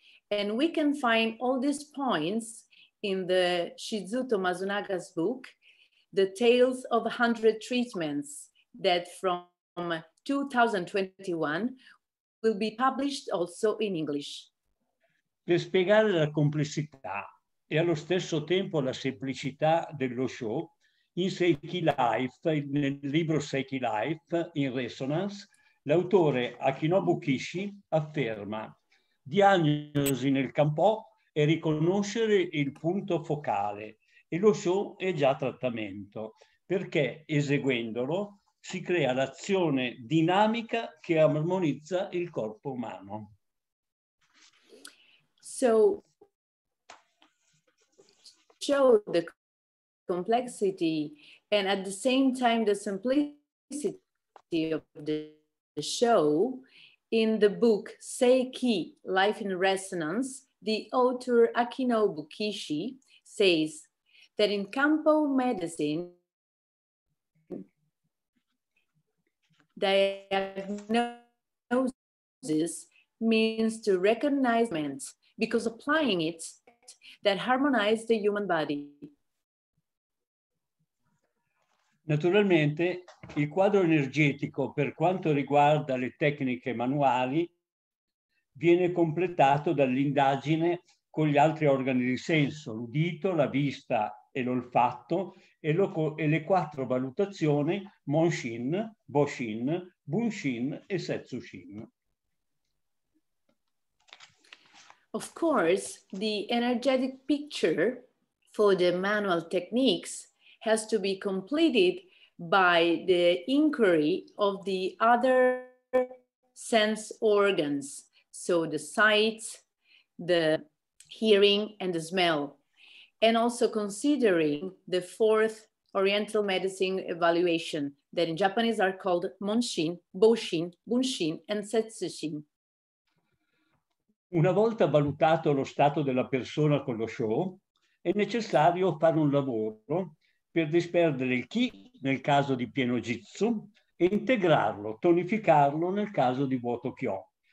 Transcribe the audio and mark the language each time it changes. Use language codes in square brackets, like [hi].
[en] And we can find all these points in the Shizuto Masunaga's book, The Tales of 100 Treatments, that from 2021 will be published also in English. [it] Per spiegare la complessità e allo stesso tempo la semplicità dello show, in Seiki Life, nel libro Seiki Life in Resonance, l'autore Akinobu Kishi afferma: diagnosi nel campo è riconoscere il punto focale e lo show è già trattamento, perché eseguendolo si crea l'azione dinamica che armonizza il corpo umano. [en] So, show the complexity and at the same time the simplicity of the show. In the book Seiki, Life in Resonance, the author Akinobu Kishi says that in Kampo medicine, diagnosis means to recognize ailments, because applying it that harmonizes the human body. [it] Naturalmente, il quadro energetico per quanto riguarda le tecniche manuali viene completato dall'indagine con gli altri organi di senso, l'udito, la vista e l'olfatto e le quattro valutazioni Monshin, Boshin, Bunshin e Setsushin. [en] Of course, the energetic picture for the manual techniques has to be completed by the inquiry of the other sense organs, so the sight, the hearing, and the smell, and also considering the fourth oriental medicine evaluation that in Japanese are called Monshin, Boshin, Bunshin, and Setsushin. [it] Una volta valutato lo stato della persona con lo show, è necessario fare un lavoro per disperdere il chi nel caso di pieno jitsu e integrarlo, tonificarlo nel caso di vuoto kyo.